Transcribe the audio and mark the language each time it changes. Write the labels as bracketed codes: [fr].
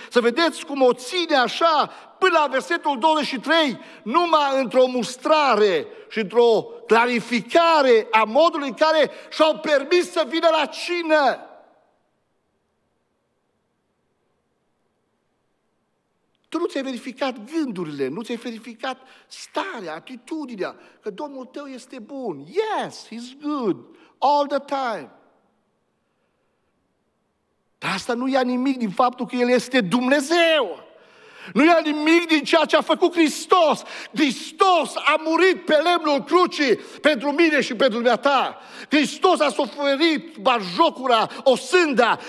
[ro] Să vedeți cum o ține așa până la versetul 23, numai într-o mustrare și într-o clarificare a modului în care și-au permis să vină la cină. Tu nu ți-ai verificat gândurile, nu ți-ai verificat starea, atitudinea, că Domnul tău este bun. [en] Yes, he's good, all the time. [ro] Dar asta nu ia nimic din faptul că El este Dumnezeu. Nu ia nimic din ceea ce a făcut Hristos. Hristos a murit pe lemnul crucii pentru mine și pentru mea ta. Hristos a suferit batjocura, osânda.